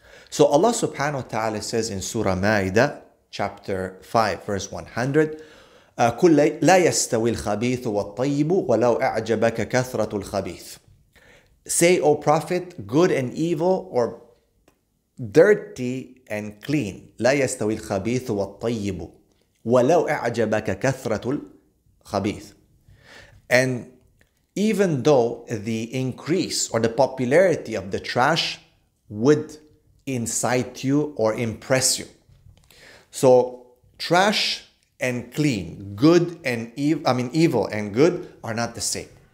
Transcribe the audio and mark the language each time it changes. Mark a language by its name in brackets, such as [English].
[English] So Allah subhanahu wa ta'ala says in Surah Ma'idah, chapter 5, verse 100, [Arabic] كُلَّ لَا يَسْتَوِي الْخَبِيثُ وَالطَّيِّبُ وَلَوْ أَعْجَبَكَ كَثْرَةُ الْخَبِيثُ. [English] Say, O Prophet, good and evil, or dirty and clean. [Arabic] لا يستوي الخبيث والطيب ولو أعجبك كثرة الخبيث. [English] And even though the increase or the popularity of the trash would incite you or impress you. So trash and clean, good and evil, I mean evil and good are not the same.